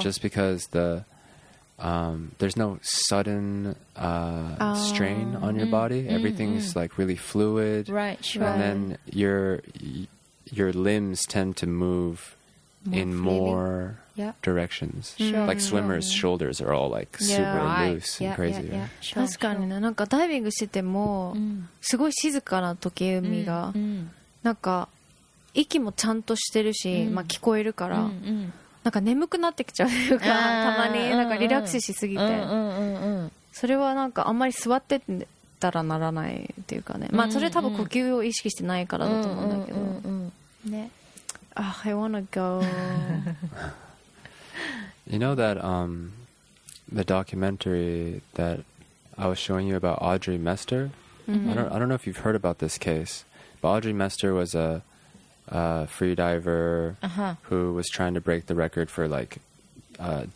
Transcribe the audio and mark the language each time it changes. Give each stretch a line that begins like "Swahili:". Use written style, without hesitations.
English: Just because there's no sudden strain on your body. Everything's like really fluid. Right, sure. And then your limbs tend to move in more directions. Sure. Like swimmers' shoulders are all like super loose and crazy. Yeah.
Japanese: 確かにね。なんかダイビングしててもすごい静かな時海が、なんか息もちゃんとしてるし、まあ聞こえるから、なんか眠くなってきちゃうというか、たまになんかリラックスしすぎて、それはなんかあんまり座ってたらならないっていうかね。まあそれ多分呼吸を意識してないからだと思うんだけど。ね。
English: I wanna go. You know that the documentary that I was showing you about Audrey Mester? I don't know if you've heard about this case, but Audrey Mester was a free diver who was trying to break the record for like depth.